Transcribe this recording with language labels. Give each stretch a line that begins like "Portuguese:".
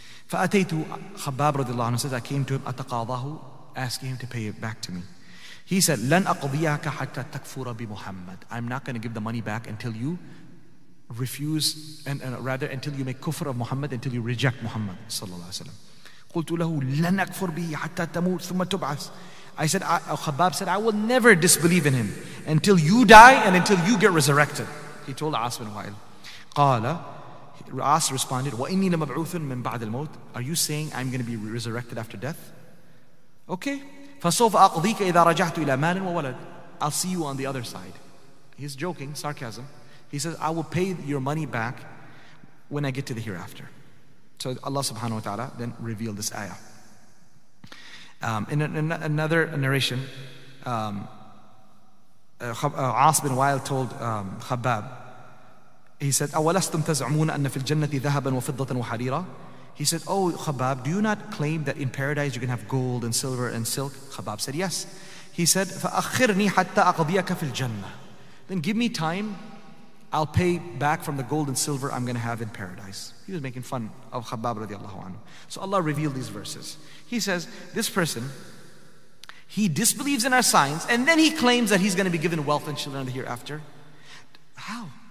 Arabic: فَأَتَيْتُ خَبَّابَ رضي الله عنه,
English: says, I came to him,
Arabic: أَتَقَاضَهُ,
English: asking him to pay it back to me. He said,
Arabic: لَنْ أَقْضِيَكَ حَتَّى تَكْفُرَ بِمُحَمَّدٍ.
English: I'm not going to give the money back until you refuse, and rather until you make kufr of Muhammad, until you reject Muhammad صلى الله عليه وسلم.
Arabic: قُلْتُ لَهُ لَنْ أَكْفُرْ بِهِ حَتَّى تَمُوتْ ثُمَّ تُبْعَثْ.
English: I said, Khabbab said, I will never disbelieve in him until you die and until you get resurrected. He told Asma bin Wail. Qala, As responded,
Arabic: وَإِنِّي لَمَبْعُوثٌ مِّن بَعْدِ الْمَوْتِ.
English: Are you saying I'm going to be resurrected after death? Okay.
Arabic: فَصَوْفَ أَقْضِيكَ إِذَا رَجَعْتُ إِلَى مَالٍ وَوَلَدٍ.
English: I'll see you on the other side. He's joking, sarcasm. He says, I will pay your money back when I get to the hereafter. So Allah subhanahu wa ta'ala then revealed this ayah. In another narration,
Arabic: عاص بن وائل
English: told
Arabic: خباب,
English: he said,
Arabic: أَوَلَسْتُمْ تَزْعُمُونَ أَنَّ فِي الْجَنَّةِ ذَهَبًا وَفِضَّةً وَحَرِيرًا.
English: He said, oh, Khabab, do you not claim that in paradise you can have gold and silver and silk? Khabab said, yes. He said,
Arabic: فَأَخِّرْنِي حَتَّى أَقْضِيَكَ فِي الْجَنَّةِ.
English: Then give me time, I'll pay back from the gold and silver I'm going to have in paradise. He was making fun of Khabab radiallahu anhu. So Allah revealed these verses. He says, this person, he disbelieves in our signs, and then he claims that he's going to be given wealth and children hereafter. How?